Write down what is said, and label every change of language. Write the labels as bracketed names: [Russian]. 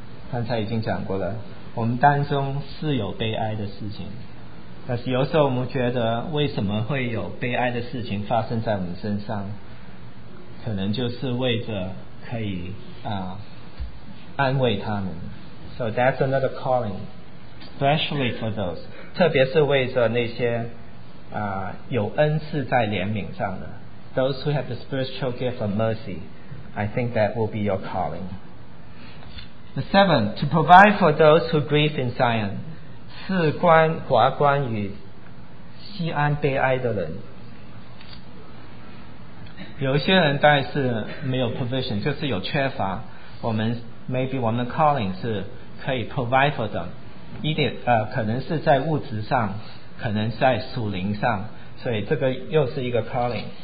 [Chinese] 刚才已经讲过了，我们当中是有悲哀的事情，但是有时候我们觉得为什么会有悲哀的事情发生在我们身上，可能就是为着可以安慰他们。 [English] So that's another calling, especially for those, [Chinese] 特别是为着那些有恩赐在怜悯上的 [English] those who have the spiritual gift of mercy, I think that will be your calling. The seventh, to provide for those who grieve in Zion, [Chinese] 是寡关于西安悲哀的人。有些人当然是没有 provision, 就是有缺乏，我们 maybe 我们的 calling 是可以 [English] provide for them [Chinese] 一点可能是在物质上，可能在属灵上，所以这个又是一个 calling.